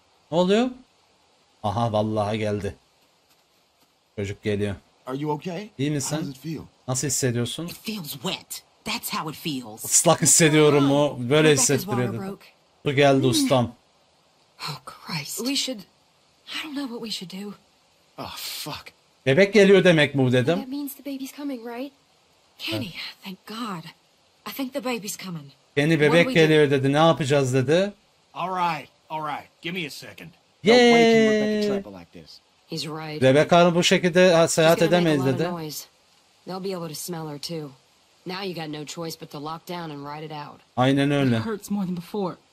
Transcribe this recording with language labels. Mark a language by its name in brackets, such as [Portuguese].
[Turkish] Ne oluyor? Aha vallahi geldi. Çocuk geliyor. [English] Are you okay? [Turkish] İyi misin? Nasıl hissediyorsun? [English] It feels wet. That's how it feels. [Turkish] Islak hissediyorum o. Böyle hissettiriyordu. Bu geldi ustam. [English] Oh Christ. We should I don't know what we should do. Oh fuck. [Turkish] Bebek geliyor demek mi bu dedim. [English] That means the baby's coming, right? Kenny, thank God. I think the baby's coming. [Turkish] Kenny bebek geliyor dedi. Ne yapacağız dedi? [English] All right. All right. Give me a second. Yeah. [Turkish] Rebecca bu şekilde seyahat edemez dedi. [English] They'll be able to smell her too. Now you got no choice but to lock down and ride it out. [Turkish] Aynen öyle. [English] It hurts more than before.